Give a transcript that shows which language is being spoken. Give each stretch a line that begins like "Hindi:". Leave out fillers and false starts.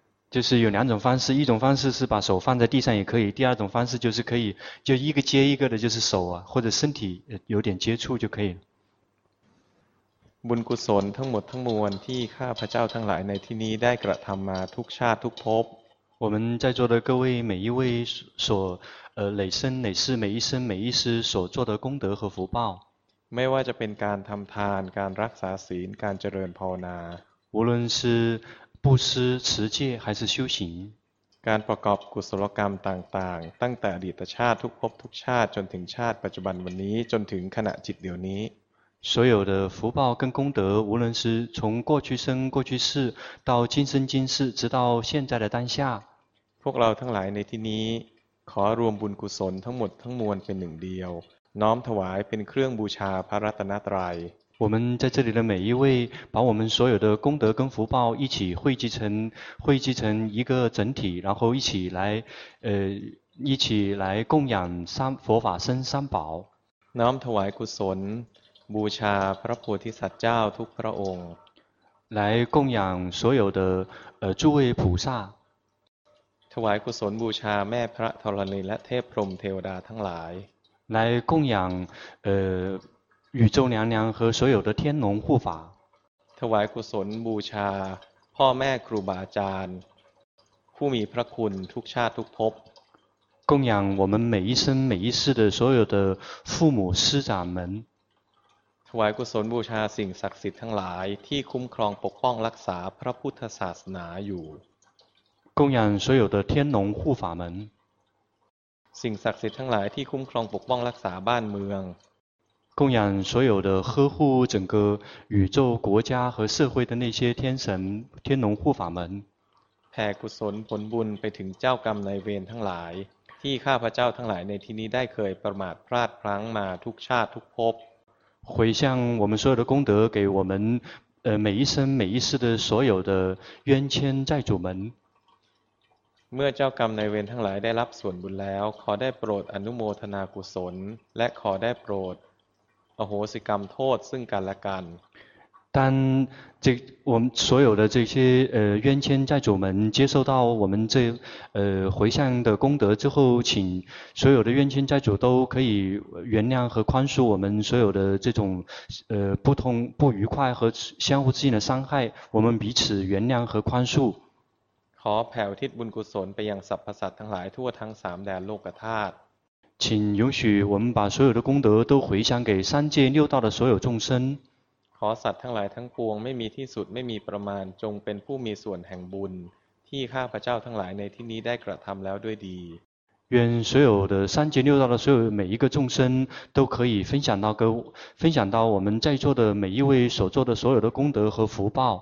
Chinese: 就是有两种方式，一种方式是把手放在地上也可以，第二种方式就是可以就一个接一个的，就是手啊或者身体有点接触就可以了。
Thai: บุญกุศลทั้งหมดทั้งมวลที่ข้าพเจ้าทั้งหลายในที่นี้ได้กระทำมาทุกชาติทุกภพ。
Chinese: 我们在座的各位每一位所累生累世每一生每一世所做的功德和福报。
Thai: ไม่ว่าจะเป็นการทำทานการรักษาศีลการเจริญภาวนา。
Chinese: 无论是布施、持戒还是修行，
Thai: การประกอบกุศลกรรมต่างๆตั้งแต่อดีตชาติทุกภพทุกชาติจนถึงชาติปัจจุบันวันนี้จนถึงขณะจิตเดี๋ยวนี้
Chinese: 所有的福报跟功德，无论是从过去生、过去世到今生今世，直到现在的当下，
Thai: พวกเราทั้งหลายในที่นี้ขอรวมบุญกุศลทั้งหมดทั้งมวลเป็นหนึ่งเดียวน้อมถวายเป็นเครื่องบูชาพระรัตนตรัย
Chinese: 我们在这里的每一位把我们所有的功德跟福报一起汇集成一个整体，然后一起来供养三佛法僧三宝。
Thai: น้อมถวายกุศลบูชาพระโพธิสัตว์เจ้าทุกพระองค์
Chinese: 来供养所有的诸位菩萨。
Thai: ถวายกุศลบูชาแม่พระธรณีและเทพพรหมเทวดาทั้งหลาย
Chinese: 来供养宇宙娘娘和所有的天龙护法。
Thai: ถวายกุศลบูชาพ่อแม่ครูบาอาจารย์ผู้มีพระคุณทุกชาติทุกภพ
Chinese: 供养我们每一生每一世的所有的父母师长们。
Thai: ถวายกุศลบูชาสิ่งศักดิ์สิทธิ์ทั้งหลายที่คุ้มครองปกป้องรักษาพระพุทธศาสนาอยู่
Chinese: 供养所有的天龙护法们。
Thai: สิ่งศักดิ์สิทธิ์ทั้งหลายที่คุ้มครองปกป้องรักษาบ้านเมือง
Chinese: 供养所有的呵护整个宇宙国家和社会的那些天神天龙护法们。
Thai: แผ่กุศลผลบุญไปถึงเจ้ากรรมนายเวรทั้งหลายที่ข้าพเจ้าทั้งหลายในที่นี้ได้เคยประมาทพลาดพลั้งมาทุกชาติทุกภพ
Chinese: 回向我们所有的功德给我们每一生每一世的所有的冤亲债主们。
Thai: เมื่อเจ้ากรรมนายเวรทั้งหลายได้รับส่วนบุญแล้วขอได้โปรดอนุโมทนากุศลและขอได้โปรดอโหสิกรรมโทษซึ่งกันและกัน
Chinese: 当这我们所有的这些冤亲债主们接受到我们这回向的功德之后，请所有的冤亲债主都可以原谅和宽恕我们所有的这种不通不愉快和相互之间的伤害，我们彼此原谅和宽恕。
Thai: ขอแผ่อุทิศบุญกุศลไปยังสรรพสัตว์ทั้งหลายทั่วทั้งสามแดนโลกธาตุ。
Chinese: 请允许我们把所有的功德都回向给三界六道的所有众生。
Thai: ขอสัตว์ทั้งหลายทั้งปวงไม่มีที่สุดไม่มีประมาณจงเป็นผู้มีส่วนแห่งบุญที่ข้าพเจ้าทั้งหลายในที่นี้ได้กระทำแล้วด้วยดี
Chinese: 愿所有的三界六道的所有每一个众生都可以分享到我们在座的每一位所做的所有的功德和福报